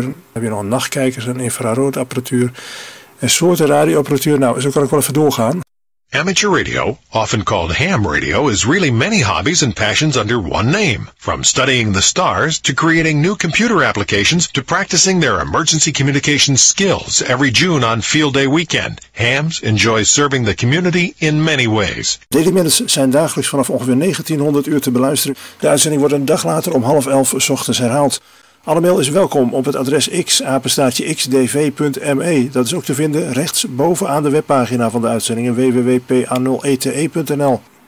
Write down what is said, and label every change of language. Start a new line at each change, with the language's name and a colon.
Dutch: Dan heb je nog nachtkijkers en infraroodapparatuur. En soorten radioapparatuur. Nou, zo kan ik wel even doorgaan.
English: Amateur radio, often called ham radio, is really many hobbies and passions under one name. From studying the stars, to creating new computer applications, to practicing their emergency communication skills every June on Field Day weekend. Hams enjoy serving the community in many ways.
Dutch: Daily Minutes zijn dagelijks vanaf ongeveer 1900 uur te beluisteren. De uitzending wordt een dag later om 10:30 ochtends herhaald. Alle mail is welkom op het adres x@xdv.me. Dat is ook te vinden rechts bovenaan de webpagina van de uitzendingen www.pa0ete.nl.